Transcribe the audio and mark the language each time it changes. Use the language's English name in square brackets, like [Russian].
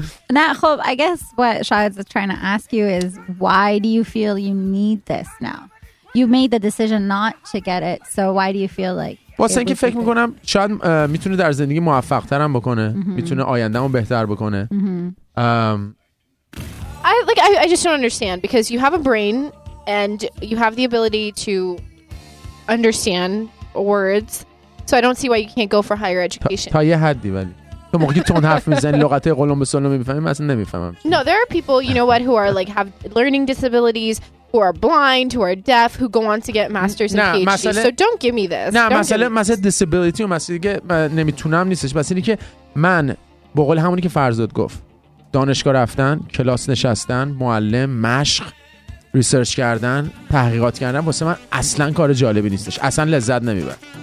[Persian] نه خب [English] I guess what Shahid's trying to ask you is why do you feel you need this now? You made the decision not to get it, so why do you feel like [Persian] واسه اینکه فکر میکنم شاید میتونه در زندگی موفق ترم بکنه، میتونه آیندهمو بهتر بکنه. [English] I just don't understand because you have a brain and you have the ability to understand words, so I don't see why you can't go for higher education. [Persian] تا یه حدی ولی تو موقعی تون حرف میزنی لغته قلمبه سلم میفهمی، من اصلا نمیفهمم. [English] No, there are people, you know what, who are like have learning disabilities, who are blind, who are deaf, who go on to get masters and PhDs. [Persian] مسئله... [English] So don't give me this. [Persian] نه مسئله مسئله disability و مسئله که من نمیتونم نیستش، بس اینی که من به قول همونی که فرزاد گفت، دانشگاه رفتن، کلاس نشستن، معلم، مشق، ریسرچ کردن، تحقیقات کردن واسه من اصلا کار جالبی نیستش، اصلا لذت نمیبرم.